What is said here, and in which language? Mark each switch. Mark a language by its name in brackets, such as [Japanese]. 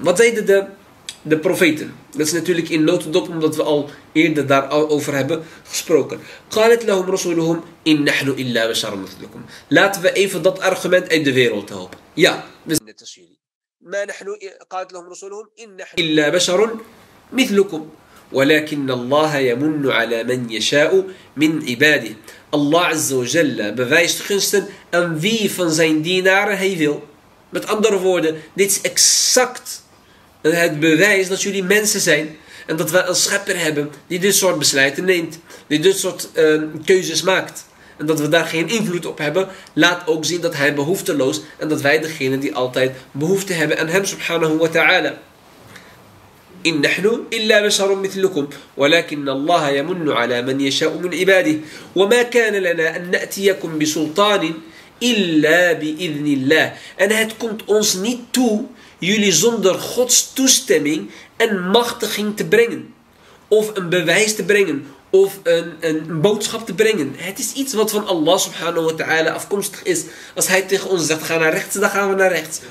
[Dutch] Wat zeiden de profeten? Dat is natuurlijk in notendop, omdat we al eerder daarover hebben gesproken. [Arabic] Qalat lahum rasuluhum in nahnu illa basharun mithlukum. [Dutch] Laten we even dat argument uit de wereld helpen. Ja, we zijn net als jullie. [Arabic] Ma nahnu qalat lahum rasuluhum in nahnu illa basharun mithlukum. ولكن الله يمن على من يشاء من عباده. [Dutch] Allah azza wa jalla bewijst gunsten aan wie van zijn dienaren hij wil. Met andere woorden, dit is exact het bewijs dat jullie mensen zijn en dat wij een schepper hebben die dit soort besluiten neemt, die dit soort keuzes maakt en dat we daar geen invloed op hebben, laat ook zien dat hij behoefteloos en dat wij degene die altijd behoefte hebben aan hem subhanahu wa ta'ala. [Arabic] إن نحن إلا بشر مثلكم ولكن الله يمن على من يشاء من عباده وما كان لنا أن نأتيكم بسلطان إلا بإذن الله. [Dutch] En het komt ons niet toe jullie zonder Gods toestemming een machtiging te brengen of een bewijs te brengen of een boodschap te brengen. Het is iets wat van Allah subhanahu wa ta'ala afkomstig is. Als hij tegen ons zegt, ga naar rechts, dan gaan we naar rechts.